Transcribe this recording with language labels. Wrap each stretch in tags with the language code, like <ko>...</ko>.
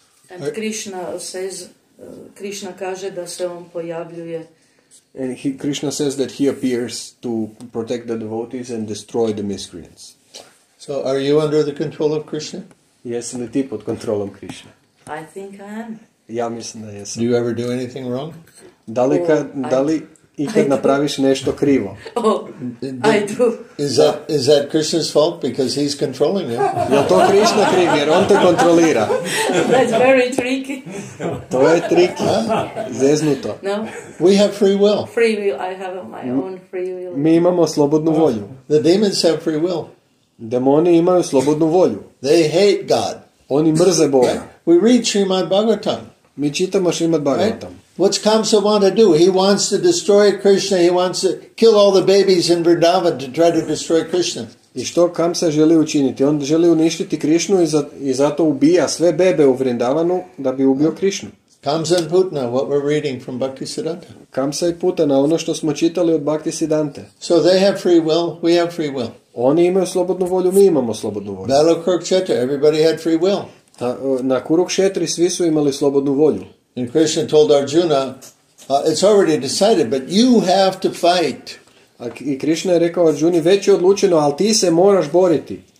<en>And Krishna says,</en> <hr>Krishna kaže da se on pojavljuje.</hr> <en>And he, Krishna says that he appears to protect the devotees and destroy the miscreants. So are you under the control of Krishna? Yes, in the tip of control of Krishna. I think I am.</en> <hr>Ja mislim da jesam.</hr> <en>Do you ever do anything wrong?</en> <hr>Da li ikad napraviš nešto krivo?</hr> <en>Oh, I do. Is that Krishna's fault because he's controlling you?</en> <hr>Ja to Krishna kriv jer on te kontrolira.</hr> <en>That's very tricky.</en> <hr>To je tricky. Zeznuto.</hr> <en>No. We have free will. Free will. I have my own free will.</en> <hr>Mi imamo slobodnu volju.</hr> <en>The demons have free will.</en> <hr>Demoni imaju slobodnu volju.</hr> <en>They hate God.</en> <hr>Oni mrze Boga.</hr> <en>We read Srimad Bhagavatam.</en> <hr>Mi čitamo Srimad Bhagavatam.</hr> <en>Right? What's Kamsa want to do? He wants to destroy Krishna. He wants to kill all the babies in Vrindavan to try to destroy Krishna.</en> <hr>I što Kamsa želi učiniti? On želi uništiti Krishnu i zato ubija sve bebe u Vrindavanu da bi ubio Krishnu.</hr> <en>Kamsa and Putna, what we're reading from Bhaktisiddhanta.</en> <hr>Kamsa i Putana, ono što smo čitali od Bhaktisiddhante.</hr> <en>So they have free will, we have free will.</en> <hr>Oni imaju slobodnu volju, mi imamo slobodnu volju.</hr> <en>Battle of Kurukshetra, everybody had free will.</en> <hr>Na Kurukshetri svi su imali slobodnu volju.</hr> <en>And Krishna told Arjuna, it's already decided, but you have to fight.</en> <hr>I Krishna je rekao Arjuni, već je odlučeno, ali ti se moraš boriti.</hr>